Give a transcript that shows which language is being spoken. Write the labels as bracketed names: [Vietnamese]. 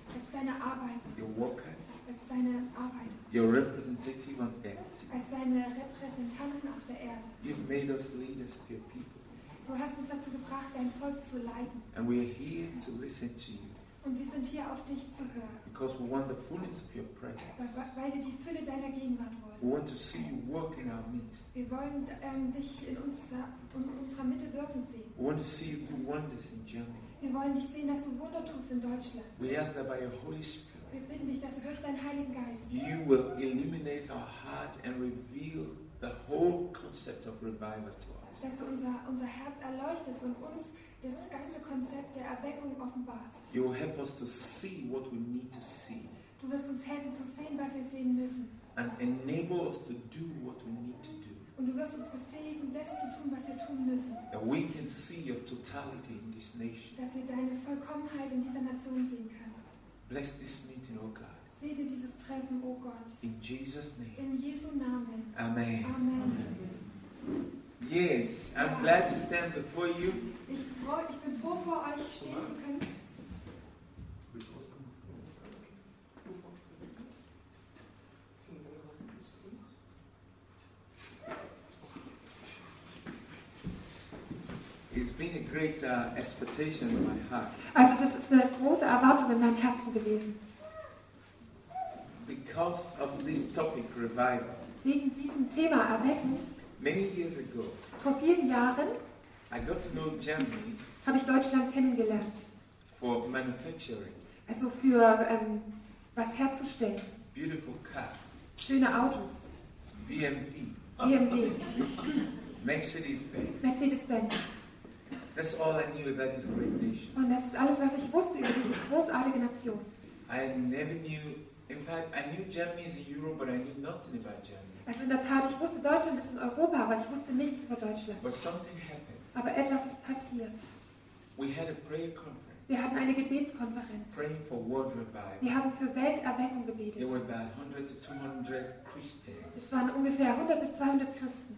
[German] Als deine Arbeiter. [English] Your workers. [German] Als deine Arbeiter. [English] Your representative on earth. [German] Als deine Repräsentanten auf der Erde. [English] You've made us leaders of your people. [German] Du hast uns dazu gebracht, dein Volk zu leiten. [English] And we're here to listen to you. [German] Und wir sind hier, auf dich zu hören. [English] Because we want the fullness of your presence. [German] Weil wir die Fülle deiner Gegenwart wollen. [English] We want to see you work in our midst. [German] Wir wollen dich in unserer Mitte wirken sehen. [English] We want to see you do wonders in Germany. [German] Wir wollen dich sehen, dass du Wunder tust in Deutschland. [English] We ask that by your Holy Spirit. [German] Wir bitten dich, dass du durch deinen Heiligen Geist. [English] You will illuminate our heart and reveal the whole concept of revival to us. [German] Dass du unser Herz erleuchtest und uns das ganze Konzept der Erweckung offenbarst. [English] You will help us to see what we need to see. [German] Du wirst uns helfen zu sehen, was wir sehen müssen. [English] And enable us to do what we need to do. [German] Und du wirst uns befähigen, das zu tun, was wir tun müssen. [English] That we can see your totality in this nation. [German] Dass wir deine Vollkommenheit in dieser Nation sehen können. [English] Bless this meeting, oh God. [German] Segne dieses Treffen, oh Gott. [English] In Jesus' name. [German] In Jesu Namen. [English] Amen. [German] Amen. Amen. [English] Yes, I'm glad to stand before you. [German] Ich bin froh, vor euch stehen zu können. [English] It's been a great expectation in my heart. [German] Also, das ist eine große Erwartung in meinem Herzen gewesen. [English] Because of this topic, revival. [German] Wegen diesem Thema Erwecken. [English] Many years ago, [German] vor vielen Jahren, [English] I got to know Germany, [German] habe ich Deutschland kennengelernt. [English] For manufacturing, [German] also für was herzustellen. [English] Beautiful cars, [German] schöne Autos. [English] BMW. Mercedes-Benz. That's all I knew about this great nation. [German] Und das ist alles, was ich wusste über diese großartige Nation. [English] I never knew. In fact, I knew Germany is in Europe, but I knew nothing about Germany. [German] Also in der Tat, ich wusste, Deutschland ist in Europa, aber ich wusste nichts über Deutschland. [English] But something happened. [German] Aber etwas ist passiert. [English] We had a prayer conference. [German] Wir hatten eine Gebetskonferenz. [English] Praying for world revival. [German] Wir haben für Welterweckung gebetet. [English] There were about 100 to 200 Christians. [German] Es waren ungefähr 100 bis 200 Christen,